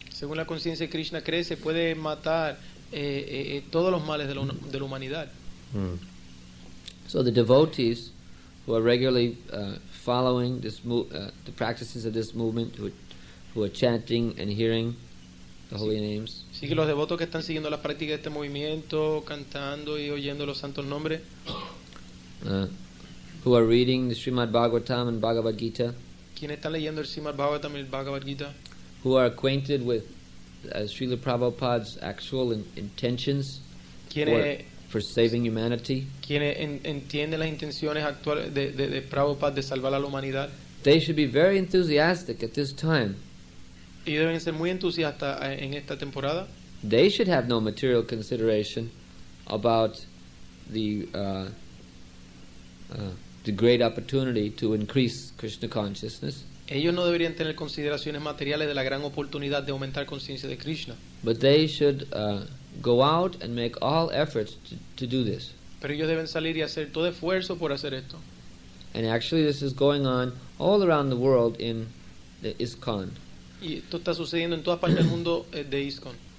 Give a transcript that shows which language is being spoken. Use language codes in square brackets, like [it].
[es] Según la conciencia de Krishna crece, puede matar todos los males de la humanidad. Mm. [en] So the devotees who are regularly following this the practices of this movement, who are chanting and hearing the holy names. [es] Sí, que los devotos que están siguiendo las prácticas de este movimiento, cantando y oyendo los santos nombres. [en] Who are reading the Srimad Bhagavatam and Bhagavad Gita. [es] ¿Quién está leyendo el Srimad Bhagavatam y el Bhagavad Gita? [en] Who are acquainted with Srila Prabhupada's actual intentions for saving humanity. [es] ¿Quiénes entienden las intenciones actuales de Prabhupada de salvar a la humanidad? [en] They should be very enthusiastic at this time. [es] Y deben ser muy entusiastas en esta temporada. [en] They should have no material consideration about the great opportunity to increase Krishna consciousness. [es] Ellos no deberían tener consideraciones materiales de la gran oportunidad de aumentar conciencia de Krishna. [en] But they should go out and make all efforts to do this. [es] Pero ellos deben salir y hacer todo esfuerzo por hacer esto. [en] And actually this is going on all around the world in the ISKCON. [es] Y esto está sucediendo en todas partes del mundo de ISKCON.